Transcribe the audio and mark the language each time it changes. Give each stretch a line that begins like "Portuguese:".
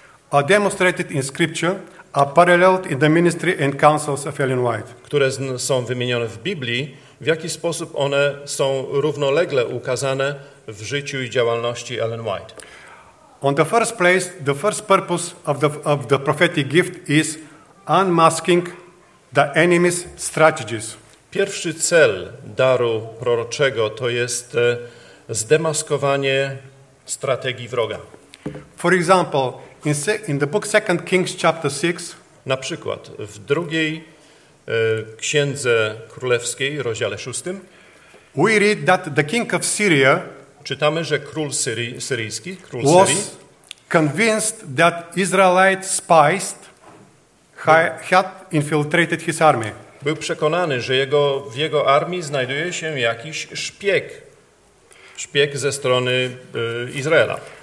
English: are demonstrated in scripture, are paralleled in the ministry and counsels of Ellen White.
Polish: Które są wymienione w Biblii, w jaki sposób one są równolegle ukazane w życiu i działalności Ellen White.
English: On the first place, the first purpose of the prophetic gift is unmasking the enemy's strategies.
Polish: Pierwszy cel daru proroczego to jest zdemaskowanie strategii wroga.
English: For example, in the book Second Kings chapter 6,
Polish: na przykład w drugiej księdze królewskiej, rozdziale 6,
English: we read that the king of Syria,
Polish: czytamy, że król syryjski, król
English: was
Polish: Syrii,
English: convinced that Israelite spies had infiltrated his army.
Polish: Był przekonany, że w jego armii znajduje się jakiś szpieg ze strony Izraela.